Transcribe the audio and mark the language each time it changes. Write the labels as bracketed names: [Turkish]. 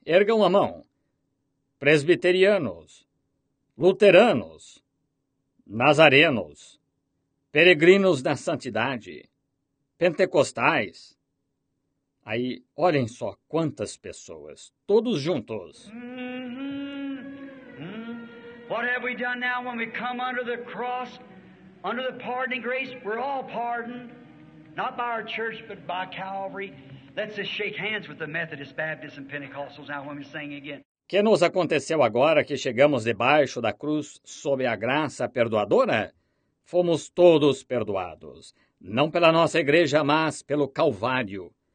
[Portuguese] Ergam a mão. Presbiterianos, luteranos, nazarenos, peregrinos da santidade, pentecostais. Aí, olhem só quantas pessoas, todos juntos. Mm-hmm. Mm-hmm. [English] What have we done now when we come under the cross, under the pardoning grace? We're all pardoned. Not by our church, but by Calvary. Let's just shake hands with the Methodist, Baptist, and Pentecostals now when we sing again. [Portuguese] Que nos aconteceu agora que chegamos debaixo da cruz sob a graça perdoadora? fomos todos perdoados, não pela nossa igreja, mas pelo Calvário.